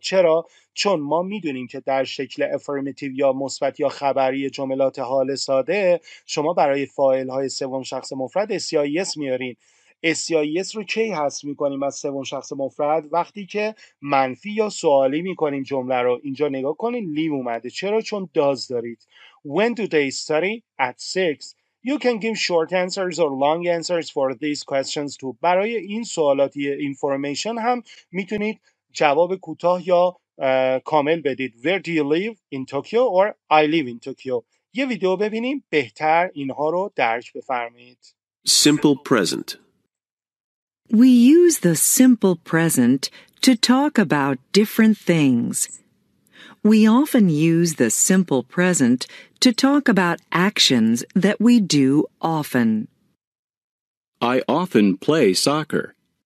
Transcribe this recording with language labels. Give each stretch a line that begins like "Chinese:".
Persian: چرا؟ چون ما میدونیم که در شکل affirmative یا مثبت یا خبری جملات حال ساده شما برای فاعل های سوم شخص مفرد SIS میارین. SIS رو کی حذف میکنیم از سوم شخص مفرد؟ وقتی که منفی یا سوالی میکنیم جمله رو. اینجا نگاه کنین live اومده. چرا؟ چون does دارید.
English: When do they study? At 6. You can give short answers or long answers for these questions too.
Persian: برای این سوالات information هم میتونید جواب کوتاه یا کامل بدید.
English: Where do you live? In Tokyo or I live in Tokyo.
Persian: یه ویدیو ببینیم بهتر اینها رو درک بفرمایید.
English: Simple present. We use the simple present to talk about different things. We often use the simple present to talk about actions that we do often. I often play soccer.